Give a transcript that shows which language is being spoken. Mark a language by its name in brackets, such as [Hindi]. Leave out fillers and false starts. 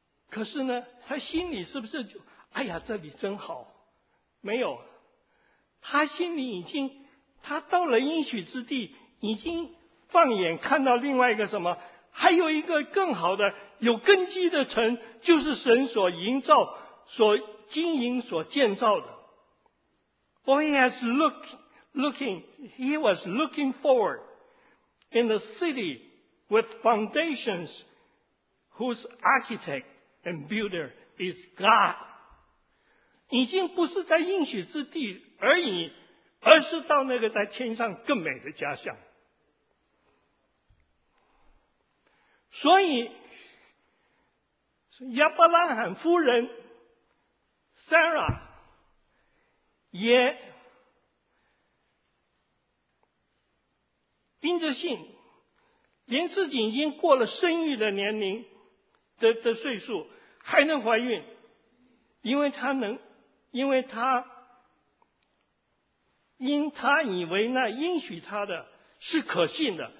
[Chinese] 可是呢，他心里是不是就，哎呀，这里真好？没有。他心里已经，他到了应许之地已经放眼看到另外一个什么，还有一个更好的有根基的城，就是神所营造所经营所建造的。 [English] He was looking forward in the city with foundations whose architect and builder is God. [Chinese] 已经不是在应许之地而已，而是到那个在天上更美的家乡。所以亚伯拉罕夫人 Sarah 也因着信，连自己已经过了生育的年龄 的岁数还能怀孕，因为他以为那应许他的是可信的。